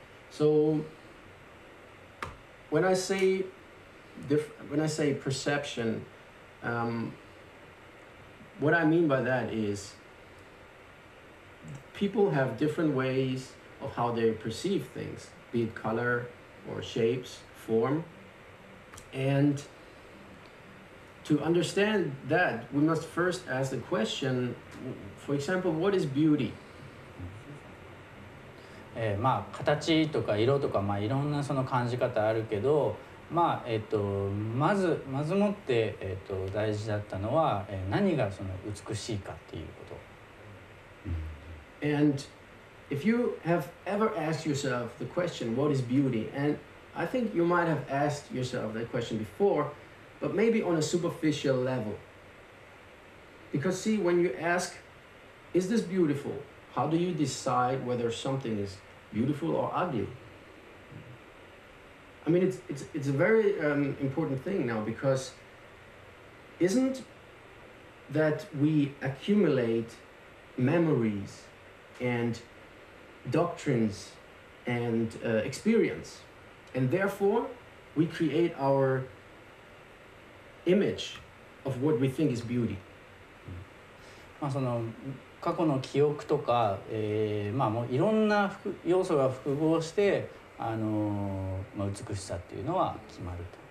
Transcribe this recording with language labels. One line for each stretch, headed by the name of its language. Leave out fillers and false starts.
English: So when I say perception, what I mean by that is people have different ways of how they perceive things, be it color or shapes, form. And to understand that, we must first ask the question, for example, what is beauty?
Japanese: まあ、形とか色とか、まあ、いろんなその感じ方あるけど、まあまずもって、大事だったのは、何がその美しいかっていうこと。
English: And if you have ever asked yourself the question, what is beauty? And I think you might have asked yourself that question before, but maybe on a superficial level. Because see, when you ask, is this beautiful? How do you decide whether something is beautiful or ugly? I mean, it's a very important thing now, because isn't that we accumulate memories and doctrines and experience, and therefore we create our image of what we think is beauty.
Japanese: まあその過去の記憶とか、まあもういろんな要素が複合して、まあ、美しさっていうのは決まると。